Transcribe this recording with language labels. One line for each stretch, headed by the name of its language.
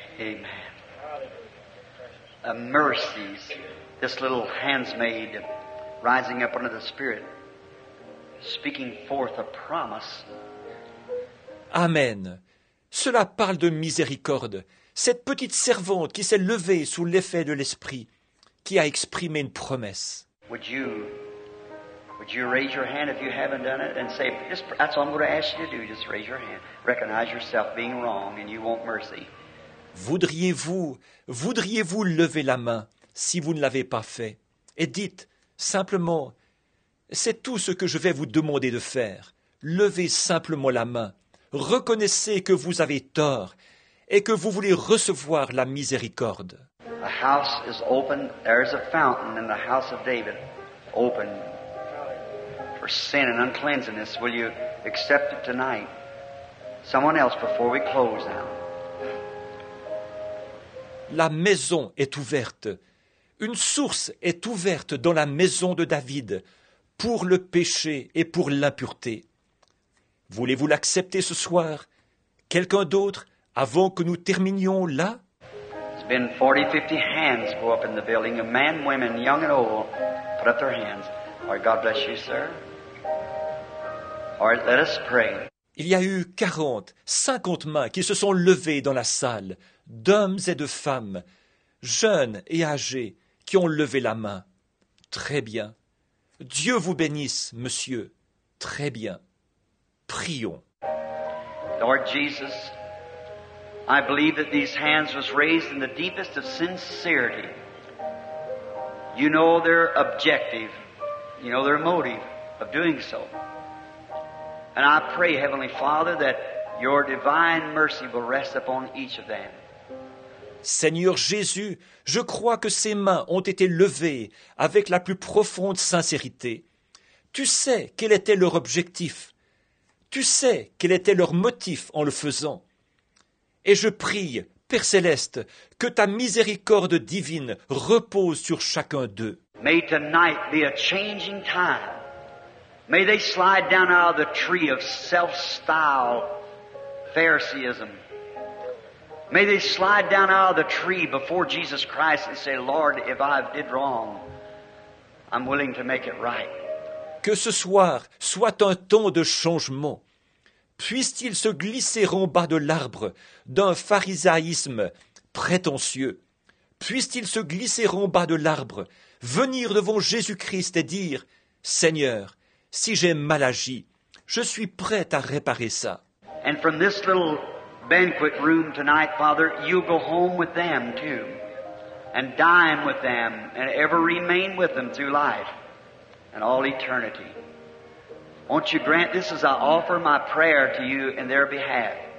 English: Amen. A mercy, this little handsmaid rising up under the Spirit, speaking forth a promise. Amen.
French: Cela parle de miséricorde, cette petite servante qui s'est levée sous l'effet de l'Esprit, qui a exprimé une promesse.
English: Would you raise your hand if you haven't done it and say, just, that's all I'm going to ask you to do, just raise your hand. Recognize yourself being wrong and you want mercy.
French: Voudriez-vous lever la main si vous ne l'avez pas fait? Et dites simplement, c'est tout ce que je vais vous demander de faire. Levez simplement la main. Reconnaissez que vous avez tort et que vous voulez recevoir la miséricorde.
English: A house is open, there is a fountain in the house of David, open for sin and uncleanness. Will you accept it tonight? Someone else before we close now.
French: La maison est ouverte. Une source est ouverte dans la maison de David pour le péché et pour l'impureté. Voulez-vous l'accepter ce soir? Quelqu'un d'autre, avant que nous terminions là?
English: It's been 40-50 hands go up in the building. A man, women, young and old, put up their hands. All right, God bless you, sir. All right, let us pray.
French: Il y a eu 40-50 mains qui se sont levées dans la salle, d'hommes et de femmes, jeunes et âgés, qui ont levé la main. Très bien. Dieu vous bénisse, monsieur. Très bien. Prions.
English: Lord Jesus, I believe that these hands was raised in the deepest of sincerity. You know their objective, you know their motive of doing so. And I pray, Heavenly Father, that your divine mercy will rest upon each of them.
French: Seigneur Jésus, je crois que ces mains ont été levées avec la plus profonde sincérité. Tu sais quel était leur objectif. Tu sais quel était leur motif en le faisant. Et je prie, Père Céleste, que ta miséricorde divine repose sur chacun d'eux.
English: May tonight be a changing time. May they slide down out of the tree of self-styled Phariseeism. May they slide down out of the tree before Jesus Christ and say, Lord, if I've did wrong, I'm willing to make it right.
French: Que ce soir soit un temps de changement. Puissent-ils se glisser en bas de l'arbre d'un pharisaïsme prétentieux? Puissent-ils se glisser en bas de l'arbre, venir devant Jésus-Christ et dire, « Seigneur, si j'ai mal agi, je suis prêt à réparer ça. »
English: And from this little banquet room tonight, Father, you'll go home with them too, and dine with them, and ever remain with them through life and all eternity. Won't you grant this as I offer my prayer to you in their behalf?